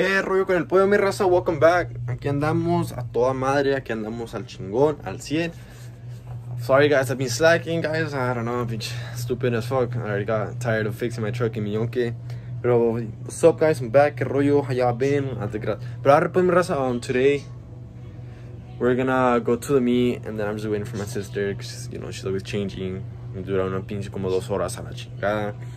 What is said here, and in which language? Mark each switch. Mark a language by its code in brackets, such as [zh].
[es] rollo con el pollo, mi raza? [en] Welcome back. [es] Aquí andamos a toda madre, aquí andamos al chingón, al 100. [en] Sorry guys, I've been slacking, guys. I don't know, bitch. Stupid as fuck. I already got tired of fixing my truck in [es] mi yonke. [en] Pero, what's up guys, I'm back. [es] ¿Qué rollo? [en] How y'all been? [es] Pero ahora pues, mi raza, [en] today we're gonna go to the meet and then I'm just waiting for my sister because, you know, she's always changing. [es] Dura una pinche como 2 horas a la chingada.